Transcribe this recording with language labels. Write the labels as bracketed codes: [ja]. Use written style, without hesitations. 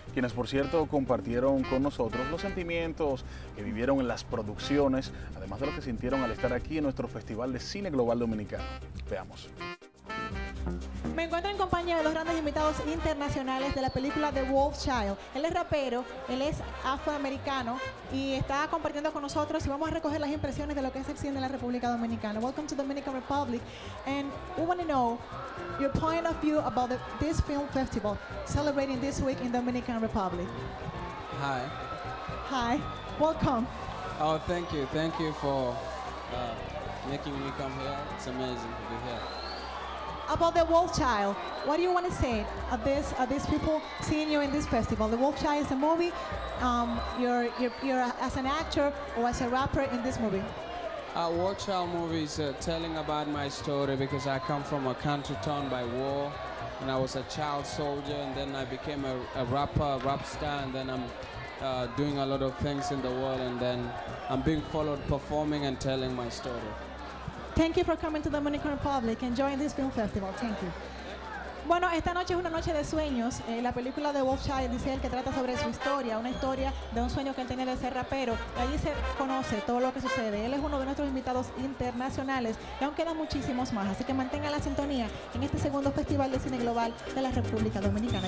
[es] Quienes, por cierto, compartieron con nosotros los sentimientos que vivieron en las producciones, además de lo que sintieron al estar aquí en nuestro Festival de Cine Global Dominicano. Veamos. Me encuentro en compañía de los grandes invitados internacionales de la película The Wolf Child. Él es rapero, él es afroamericano y está compartiendo con nosotros y vamos a recoger las impresiones de lo que es el cine en la República Dominicana. [en] Welcome to Dominican Republic, and we want to know your point of view about this film festival celebrating this week in Dominican Republic. Hi. Hi. Welcome. Oh, thank you. Thank you for making me come here. It's amazing to be here. About the Wolf Child, what do you want to say of this, of these people seeing you in this festival? The Wolf Child is a movie. You're as an actor or as a rapper in this movie? Wolf Child movie is telling about my story because I come from a country torn by war, and I was a child soldier, and then I became a rapper, a rap star, and then I'm doing a lot of things in the world, and then I'm being followed, performing and telling my story. Thank you for coming to the Dominican Republic and joining this film festival. Thank you. [es] Bueno, esta noche es una noche de sueños. La película de Wolf Child dice él que trata sobre su historia, una historia de un sueño que él tenía de ser rapero. Allí se conoce todo lo que sucede. Él es uno de nuestros invitados internacionales y aún quedan muchísimos más. Así que mantenga la sintonía en este segundo Festival de Cine Global de la República Dominicana.